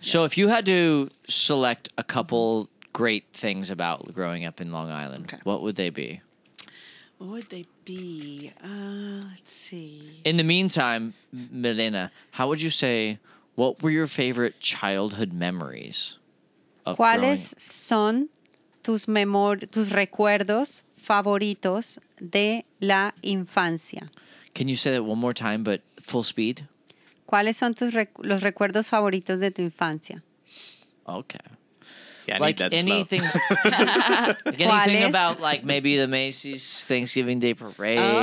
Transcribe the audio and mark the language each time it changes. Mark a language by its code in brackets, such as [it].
[en] So if you had to select a couple great things about growing up in Long Island, what would they be? What would they be? Let's see. In the meantime, Milena, how would you say, what were your favorite childhood memories of [es] ¿Cuáles son tus tus recuerdos favoritos de la infancia? [en] Can you say that one more time, but full speed? [es] ¿Cuáles son los recuerdos favoritos de tu infancia? [en] Okay. Yeah, like need that anything, slow. Like anything about like maybe the Macy's Thanksgiving Day Parade